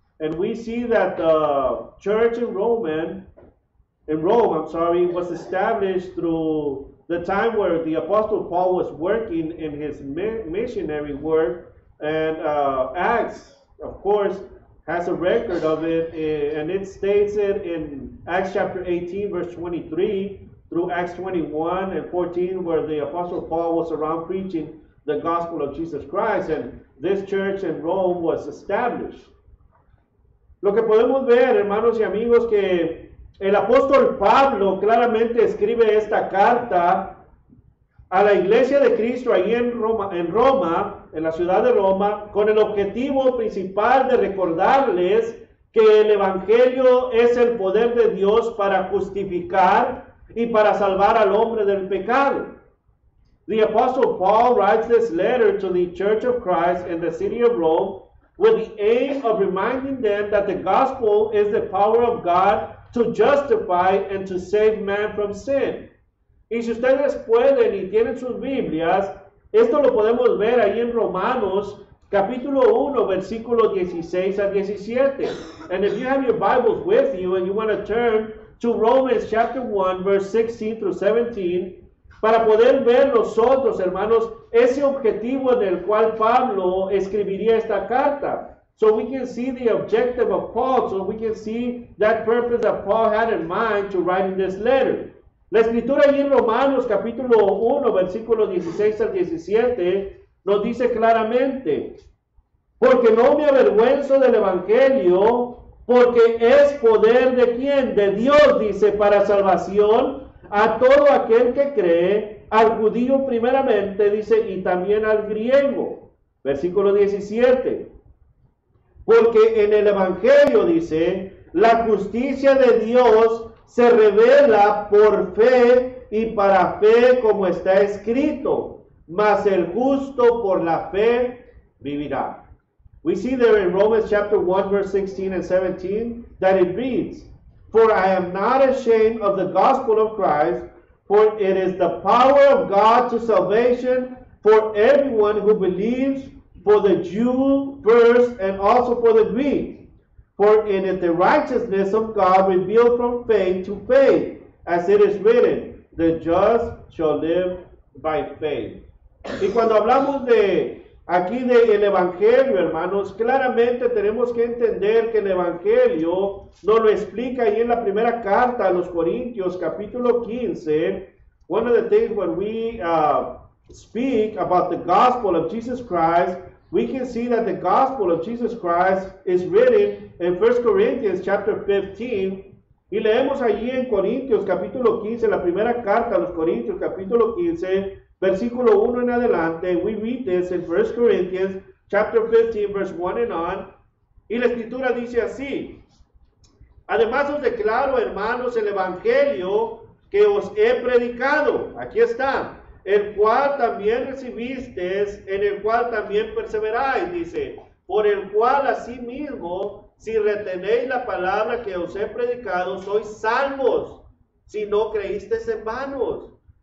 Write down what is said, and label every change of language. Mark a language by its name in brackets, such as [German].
[English] And we see that the church in Rome, was established through the time where the Apostle Paul was working in his missionary work, and Acts, of course, has a record of it, and it states it in Acts chapter 18, verse 23, through Acts 21 and 14, where the Apostle Paul was around preaching the gospel of Jesus Christ, and this church in Rome was established. [Spanish] Lo que podemos ver, hermanos y amigos, que el apóstol Pablo claramente escribe esta carta a la iglesia de Cristo ahí en Roma, en la ciudad de Roma, con el objetivo principal de recordarles que el evangelio es el poder de Dios para justificar y para salvar al hombre del pecado. [English] The apostle Paul writes this letter to the Church of Christ in the city of Rome with the aim of reminding them that the gospel is the power of God to justify and to save man from sin. [Spanish] Y si ustedes pueden y tienen sus Biblias, esto lo podemos ver ahí en Romanos, capítulo 1, versículo 16 al 17. [English] And if you have your Bibles with you and you want to turn to Romans chapter 1, verse 16 through 17, [Spanish] para poder ver nosotros, hermanos, ese objetivo en el cual Pablo escribiría esta carta. [English] So we can see the objective of Paul, so we can see that purpose that Paul had in mind to writing this letter. [Spanish] La escritura ahí en Romanos capítulo 1, versículo 16 al 17, nos dice claramente, porque no me avergüenzo del evangelio, porque es poder de quién, de Dios, dice, para salvación a todo aquel que cree, al judío primeramente, dice, y también al griego. Versículo 17. Porque en el evangelio, dice, la justicia de Dios se revela por fe y para fe, como está escrito, mas el justo por la fe vivirá. [English] We see there in Romans chapter 1, verse 16 and 17, that it reads, for I am not ashamed of the gospel of Christ, For it is the power of God to salvation for everyone who believes, for the Jew first and also for the Greek. For it is the righteousness of God revealed from faith to faith, as it is written, the just shall live by faith. [Spanish] Y cuando hablamos de aquí de el Evangelio, hermanos, claramente tenemos que entender que el Evangelio nos lo explica ahí en la primera carta a los Corintios, capítulo 15. [English] One of the things when we speak about the gospel of Jesus Christ, we can see that the gospel of Jesus Christ is written in 1 Corinthians chapter 15. [Spanish] Y leemos allí en Corintios, capítulo 15, la primera carta a los Corintios, capítulo 15, versículo 1 en adelante. [English] We read this in 1 Corinthians, chapter 15, verse 1 and on. [Spanish] Y la escritura dice así. Además os declaro, hermanos, el evangelio que os he predicado. Aquí está. El cual también recibisteis, en el cual también perseveráis, dice. Por el cual asimismo, si retenéis la palabra que os he predicado, sois salvos, si no creísteis en vanos.